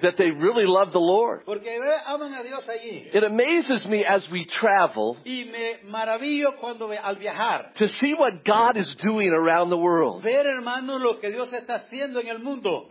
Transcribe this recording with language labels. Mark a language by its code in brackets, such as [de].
[en] That they really love the Lord. [es] Porque aman a Dios allí. [en] It amazes me as we travel [es] y me maravillo cuando al viajar. [en] To see what God is doing around the world. [es] Ver, hermano, lo que Dios está haciendo en el mundo.